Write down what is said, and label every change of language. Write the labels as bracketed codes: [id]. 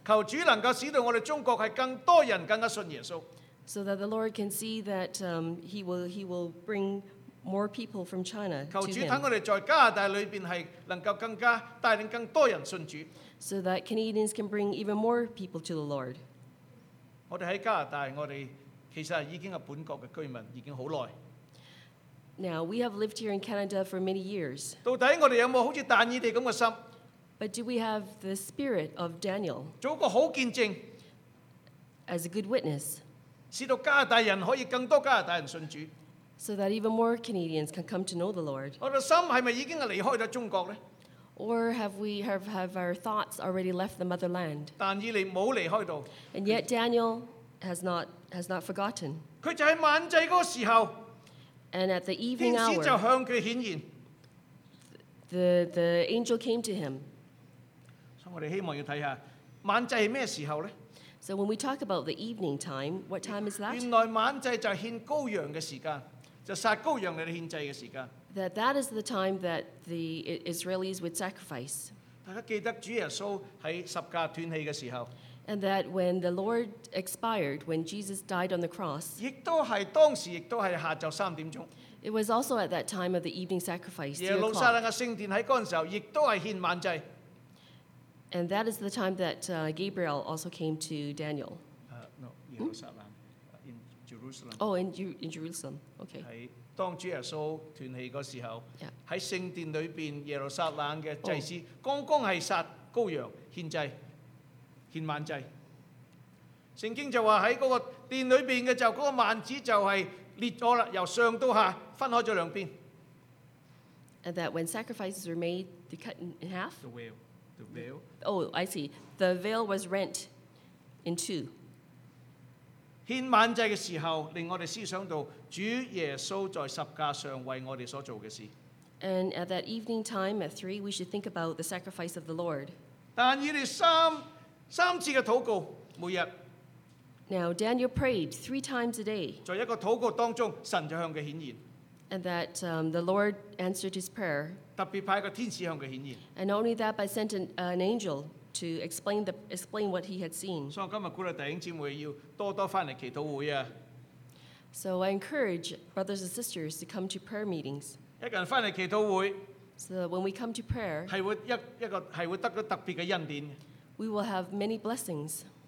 [en] So that the Lord can see that he will bring more people from China to him. So that Canadians can bring even more people to the Lord. [yue] 我哋喺加拿大，我哋其實已經係本國嘅居民，已經好耐。 [en] Now we have lived here in Canada for many years. [yue] 到底我哋有冇好似但以理咁嘅心 [en] ？But do we have the spirit of Daniel? [yue] 做個好見證 [en] ，as a good witness. [yue] 使到加拿大人可以更多加拿大人信主 [en] ，so that even more Canadians can come to know the Lord. [yue] 我哋心係咪已經係離開咗中國咧 [en] ？Or have our thoughts already left the motherland? [yue] 但以理冇離開到。 [en] And yet Daniel has not forgotten. [yue] 佢就喺晚祭嗰個時候。 [en] And at the evening hour, [yue] 天使就向佢顯現。 [en] The angel came to him. [yue] 所以我哋希望要睇下晚祭係咩時候咧 [en] ？So when we talk about the evening time, what time is that? [yue] 原來晚祭就獻羔羊嘅時間，就殺羔羊嚟獻祭嘅時間。 [en] That is the time that the Israelis would sacrifice. [yue] 大家記得主耶穌喺十架斷氣嘅時候。 [en] And that when the Lord expired, when Jesus died on the cross, [yue] 亦都係當時，亦都係下晝三點鐘。 [en] It was also at that time of the evening sacrifice. [yue] 耶路撒冷嘅聖殿喺嗰陣時候，亦都係獻晚祭。 [en] And that is the time that Gabriel also came to Daniel. In Jerusalem. Oh, in Jerusalem. Okay. [yue] 當主耶穌斷氣嗰時候，喺聖殿裏邊耶路撒冷嘅祭司剛剛係殺羔羊獻祭獻晚祭。聖經就話喺嗰個殿裏邊嘅就嗰個幔子就係裂咗啦，由上到下分開咗兩邊。 [en] And that when sacrifices were made, they cut in half. The veil. Oh, I see. The veil was rent in two. [yue] 獻晚祭嘅時候，令我哋思想到。主耶穌在十架上為我哋所做嘅事。 [en] And at that evening time at 3, we should think about the sacrifice of the Lord. [yue] 但以利三次嘅禱告每日。 [en] Now Daniel prayed 3 times a day. [yue] 在一個禱告當中，神就向佢顯現。 [en] And that the Lord answered his prayer. [yue] 特別派個天使向佢顯現。 [en] And only that, but sent an angel to explain what he had seen. [yue] 所以今日鼓勵弟兄姊妹要多多翻嚟祈禱會啊！ [en] So I encourage brothers and sisters to come to prayer meetings. [yue] 一個人翻嚟祈禱會 [en] So that when we come to prayer, [yue] 係會得到特別嘅恩典 [en] We will have many blessings.